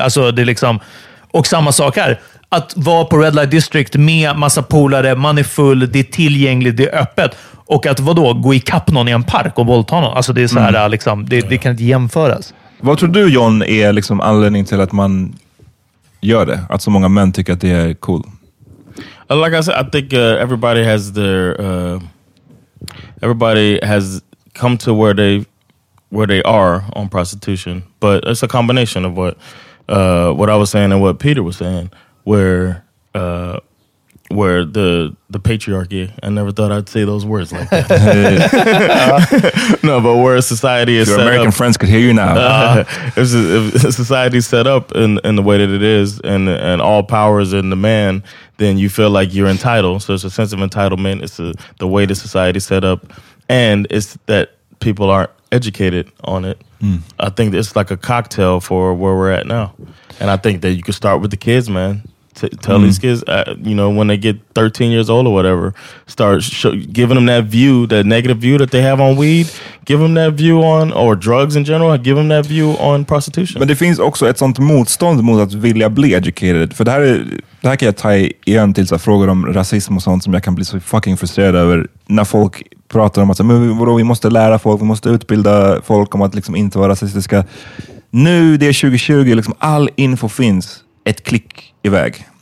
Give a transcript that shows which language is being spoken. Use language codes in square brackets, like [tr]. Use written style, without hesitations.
[sv] Alltså det är liksom, och samma sak här. Att vara på Red Light District med massa polare, man är full, det är tillgängligt, det är öppet. Och att, vadå, gå i kapp någon i en park och våldta någon. Alltså det är så här, liksom, det kan inte jämföras. Vad tror du, John, är liksom anledningen till att man gör det? Att så många män tycker att det är cool? [en] Like I said, I think everybody has their... everybody has come to where they are on prostitution. But it's a combination of what I was saying and what Peter was saying, where the patriarchy, I never thought I'd say those words like that. No, but where society is set up. Your American friends could hear you now. if society is set up in the way that it is, and all power is in the man, then you feel like you're entitled. So it's a sense of entitlement. It's the way the society is set up. And it's that people aren't educated on it. I think it's like a cocktail for where we're at now. And I think that you could start with the kids, man. Tell these kids, you know, when they get 13 years old or whatever, start giving them that view, that negative view that they have on weed. Give them that view on, or drugs in general, give them that view on prostitution. [sv] Men det finns också ett sånt motstånd mot att vilja bli educated. För det här kan jag ta igen till så frågor om rasism och sånt som jag kan bli så fucking frustrerad över. När folk pratar om att men vadå, vi måste lära folk, vi måste utbilda folk om att liksom inte vara rasistiska. Nu, det är 2020, liksom all info finns. Ett klick iväg.